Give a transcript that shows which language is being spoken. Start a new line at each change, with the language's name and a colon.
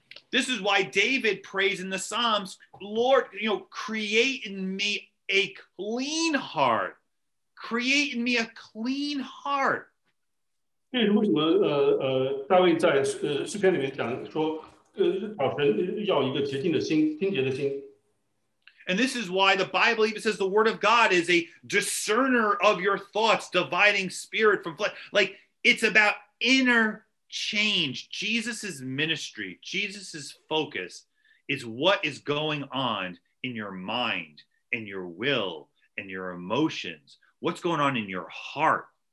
English: This is why David prays in the Psalms, Lord, you know, create in me a clean heart. Create in me a clean heart.
Chinese: 为什么大卫在诗篇里面讲说，保神要一个洁净的心，清洁的心。
English: And this is why the Bible even says the word of God is a discerner of your thoughts, dividing spirit from flesh. Like, it's about inner change. Jesus's ministry, Jesus's focus is what is going on in your mind and your will and your emotions. What's going on in your heart?